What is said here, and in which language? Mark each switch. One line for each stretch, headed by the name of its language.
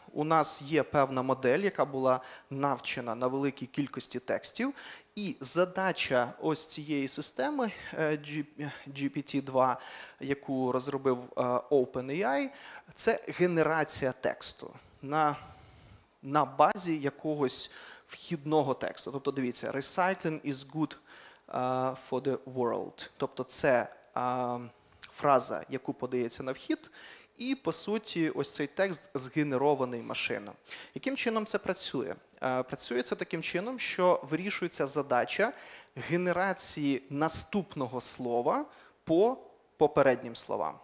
Ukrainian: У нас є певна модель, яка була навчена на великій кількості текстів. І задача ось цієї системи GPT-2, яку розробив OpenAI, це генерація тексту на базі якогось вхідного тексту. Тобто, дивіться,
English: recycling is good for the world.
Ukrainian: Тобто, це фраза, яку подається на вхід, і, по суті, ось цей текст згенерований машиною. Яким чином це працює? Працює це таким чином, що вирішується задача генерації наступного слова по попереднім словам.